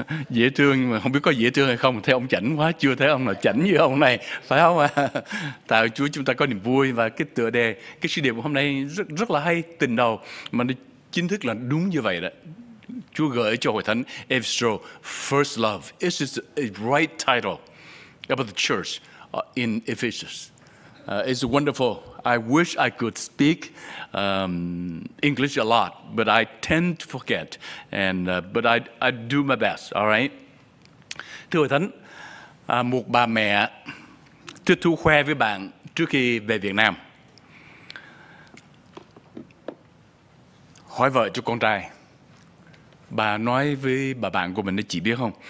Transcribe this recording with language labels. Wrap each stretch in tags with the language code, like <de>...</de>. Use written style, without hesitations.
<vi>Dễ thương nhưng mà không biết có dễ thương hay không. Thấy ông chảnh quá, chưa thấy ông nào chảnh như ông này, phải không ạ? Tạ ơn Chúa chúng ta có niềm vui. Và cái tựa đề, cái sứ điệp của hôm nay rất rất là hay, tình đầu. Mà nó chính thức là đúng như vậy đó. Chúa gửi cho hội thánh Ephesus, First Love.</vi> <en>This is a right title about the church in Ephesus. It's wonderful. I wish I could speak English a lot, but I tend to forget. But I do my best. All right.</en> <vi>Thưa hội thánh, một bà mẹ thích thú khoe với bạn trước khi về Việt Nam. Hỏi vợ cho con trai. Bà nói với bà bạn của mình, chị biết không?</vi>